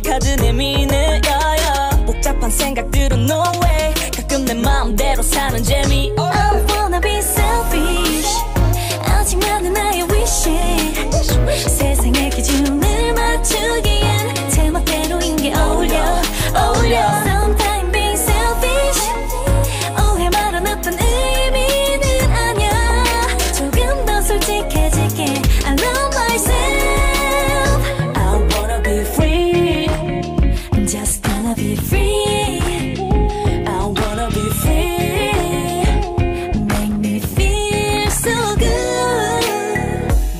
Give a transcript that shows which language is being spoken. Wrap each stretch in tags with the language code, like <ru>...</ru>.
<ko>카드 내미는 yeah, yeah. 복잡한 생각들은 no way. 가끔 내 마음대로 사는 재미.</ko> <en>I wanna be selfish.</en> <ko>아직 많은 나의 wishes. 세상의 기준을 맞추기엔 제 멋대로인 게 어울려.</ko> <en>Sometimes being selfish.</en> <ko>오해 말아 나쁜 의미는 아니야. 조금 더 솔직해질게. I love myself.</ko> <en>I wanna be free. I'm just gonna be free. I wanna be free. Make me feel so good.</en>